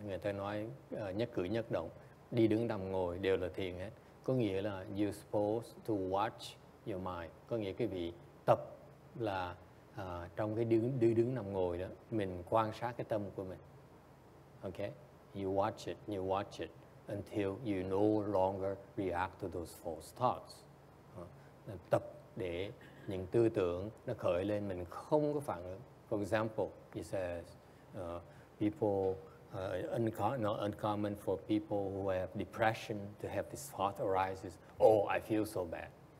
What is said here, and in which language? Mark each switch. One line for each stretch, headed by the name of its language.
Vietnamese: Người ta nói nhất cử nhất động, đi đứng nằm ngồi đều là thiền hết. Có nghĩa là
English: you're supposed to watch your mind.
Vietnamese: Có nghĩa cái vị tập là trong cái đứng nằm ngồi đó, mình quan sát cái tâm của mình.
English: Okay? You watch it. Until you no longer react to those false thoughts.
Vietnamese: Tập để những tư tưởng nó khởi lên mình không có phản ứng.
English: For example, he says, not uncommon for people who have depression to have this thought arises, oh, I feel so bad.